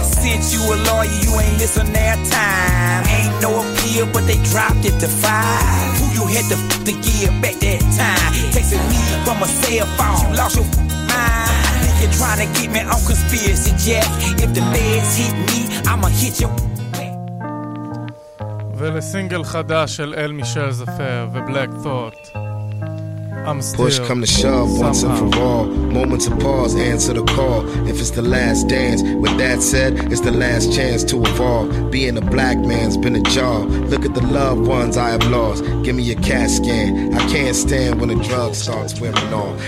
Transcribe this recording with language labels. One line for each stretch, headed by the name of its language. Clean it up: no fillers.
English: I sent you a lawyer, you ain't listen that time. Ain't no appeal, but they dropped it to 5. Who you had to f*** to give back that time? Texting me from a cell phone, you lost your f*** mind. Thinking trying to get me on conspiracy, Jack. If the feds hit me, I'ma hit your.
Hebrew: ולסינגל חדש של אל מישל זפר ובלק תוט
English: Push come to shove, somehow. Once and for all. Moments of pause, answer the call. If it's the last dance, with that said, it's the last chance to evolve. Being a black man's been a jaw. Look at the loved ones I have lost. Give me a CAT scan. I can't stand when the drug starts wearing off.